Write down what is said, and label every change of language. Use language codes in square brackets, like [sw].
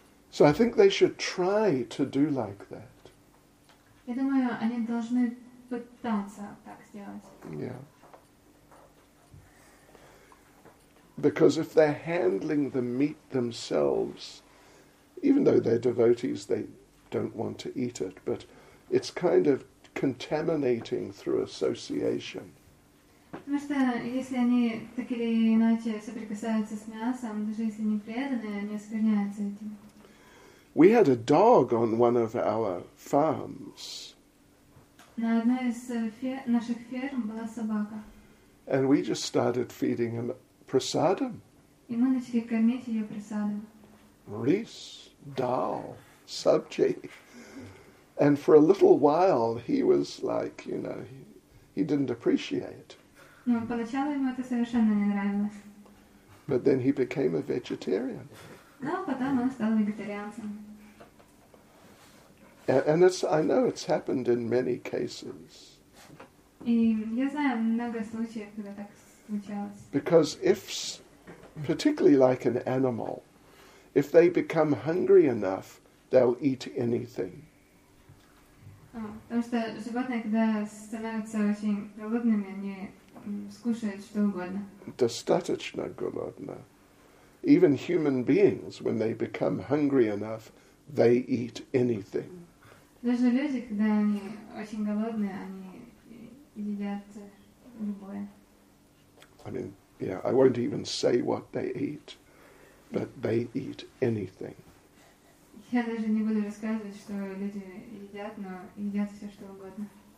[en] So I think they should try to do like that. Yeah. Because if they're handling the meat themselves, even though they're devotees, they don't want to eat it, but it's kind of contaminating through association. [ru] Потому что если они так или иначе соприкасаются с мясом, даже если они преданные, они оскверняются этим. [en] We had a dog on one of our farms. [ru] На одной из наших ферм была собака. [en] And we just started feeding him prasadam. [ru] И мы начали кормить ее прасадом. Рис. Dal, sabji. [en] And for a little while he was like, you know, he didn't appreciate. [ru] Ну, поначалу ему это совершенно не нравилось. [en] But then he became a vegetarian. [ru] Но потом он стал вегетарианцем. [en] And it's, I know it's happened in many cases. [ru] И я знаю много случаев, когда так случалось. [en] Because if, particularly like an animal, if they become hungry enough, they'll eat anything. [ru] Потому что животные, когда становятся очень голодными, они скушают что угодно. Достаточно голодно. [en] Even human beings, when they become hungry enough, they eat anything. [ru] Даже люди, когда они очень голодные, они едят любое. [en] I mean, yeah, I won't even say what they eat, but they eat anything. [ru] Я даже не буду рассказывать, что люди едят, но едят все, что угодно.